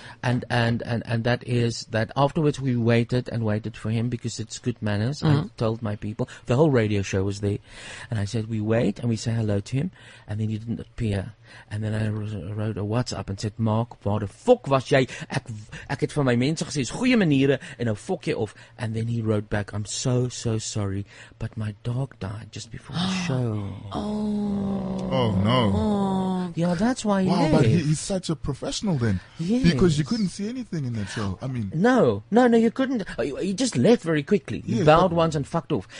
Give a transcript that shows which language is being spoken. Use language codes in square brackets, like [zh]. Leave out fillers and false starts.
[en] And that is that afterwards we waited and waited for him because it's good manners. Mm-hmm. I told my people. The whole radio show was there. And I said, we wait and we say hello to him. And then he didn't appear. And then I wrote a WhatsApp and said, Mark, [af] waar de fok was jy? Ek het van my mense gesê, goeie maniere, en nou fok jy off. [en] And then he wrote back, I'm so, so sorry, but my dog died just before the show. Oh. Oh, no. Oh. Yeah, that's why he left. Wow, but he's such a professional then. Yes. Because you couldn't see anything in that show. I mean. No, you couldn't. He just left very quickly. He bowed once and fucked off.